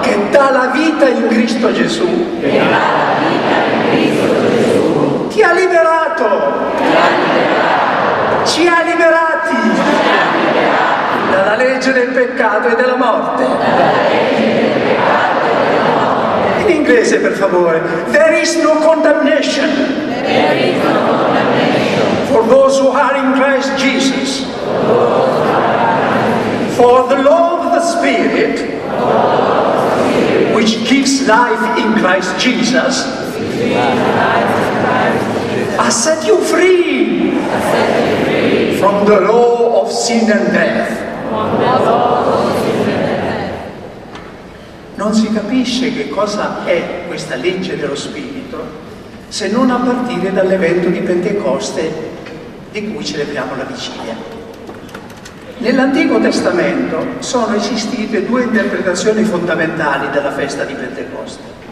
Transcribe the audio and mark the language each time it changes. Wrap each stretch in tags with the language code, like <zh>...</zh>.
<it>Che dà la vita in Cristo Gesù. Che dà la vita in Cristo Gesù. Ti ha liberato. Ti ha liberato. Ci ha liberati. Ci ha liberati. Dalla legge del peccato e della morte. Dalla legge del peccato e della morte. In inglese per favore.</it> <en>There is no condemnation. There is no condemnation. For those who are in Christ Jesus. For the law of the Spirit, which gives life in Christ Jesus, has set you free from the law of sin and death.</en> <it>Non si capisce che cosa è questa legge dello Spirito se non a partire dall'evento di Pentecoste di cui celebriamo la vigilia. Nell'Antico Testamento sono esistite due interpretazioni fondamentali della festa di Pentecoste.</it>